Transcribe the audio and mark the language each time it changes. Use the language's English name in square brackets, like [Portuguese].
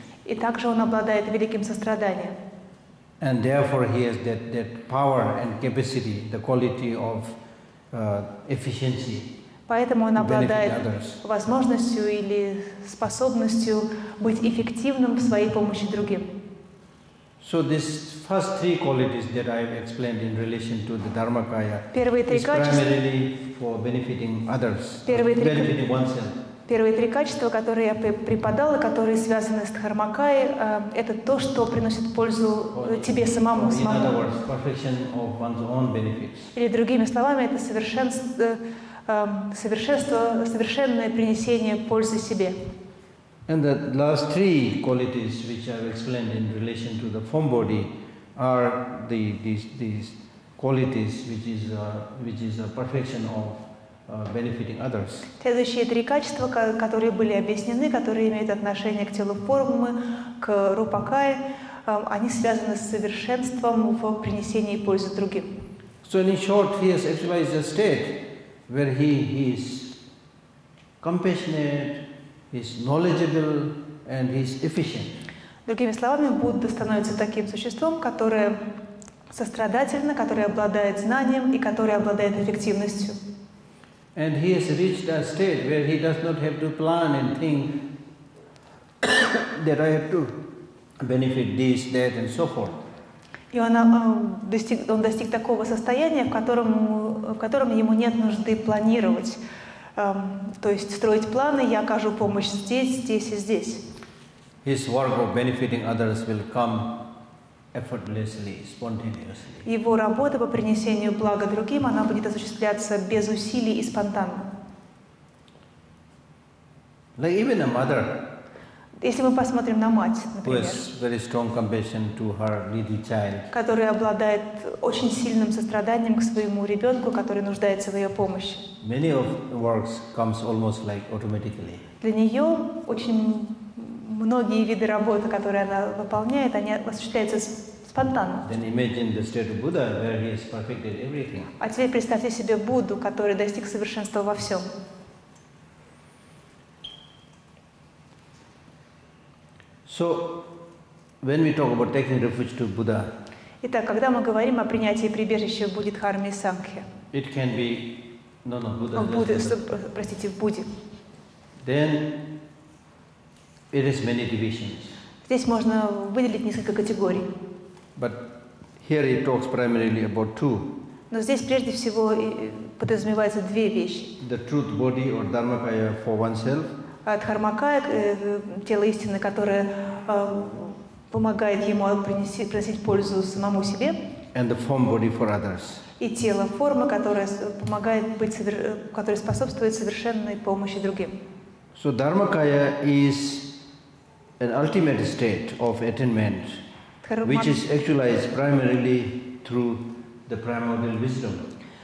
[Russian] И также он обладает великим состраданием. [English] And therefore he has that power and capacity, the quality of efficiency. [Russian] Поэтому он обладает возможностью или способностью быть эффективным в своей помощи другим. [English] So these first three qualities that I've explained in relation to the dharmakaya primarily for benefiting others, benefiting oneself. [Russian] Первые три качества, которые я преподал, и которые связаны с дхармакаей, это то, что приносит пользу тебе самому. [English] In other words, perfection of one's own benefits. [Russian] Или другими словами, это совершенное принесение пользы себе. [English] And the last three qualities which I've explained in relation to the form body are these qualities which is a perfection of benefiting others. [Russian] Следующие три качества, которые были объяснены, которые имеют отношение к телу формы, к рупакае, они связаны с совершенством в принесении пользы другим. [English] So in short, he has actualized a state where he is compassionate, he is knowledgeable, and he's efficient. [Russian] Другими словами, Будда становится таким существом, которое сострадательно, которое обладает знанием и которое обладает эффективностью. [English] And he has reached a state where he does not have to plan and think that I have to benefit this, that, and so forth. [Russian] И он достиг такого состояния, в котором ему нет нужды планировать, то есть строить планы, я окажу помощь здесь, здесь и здесь. [English] His work of benefiting others will come effortlessly, spontaneously. [Russian] Его работа по принесению блага другим, она будет осуществляться без усилий и спонтанно. [English] Like even a mother. [Russian] Если мы посмотрим на мать, например, которая обладает очень сильным состраданием к своему ребенку, который нуждается в ее помощи. [English] Many of works comes almost like automatically. [Russian] Для нее очень многие виды работы, которые она выполняет, они осуществляются спонтанно. [English] Then imagine the state of Buddha, where he has perfected everything. [Russian] А теперь представьте себе Будду, который достиг совершенства во всем. [English] So, when we talk about taking refuge to Buddha, [Russian] итак, когда мы говорим о принятии прибежища в Буддхарме и Сангхе, [English] it can be, no, Buddha. [Russian] В Будде. [English] Then, it is many divisions. [Russian] Здесь можно выделить несколько категорий. [English] But here he talks primarily about two. [Russian] Но здесь прежде всего подразумеваются две вещи. [English] The truth body or Dharmakaya for oneself. [Russian] Дхармакая, тело истины, которое помогает ему приносить пользу самому себе. [English] And the form body for others. [Russian] И тело формы, которое помогает которое способствует совершенной помощи другим. [English] So Dharmakaya is an ultimate state of attainment, which is actualized primarily through the primordial wisdom.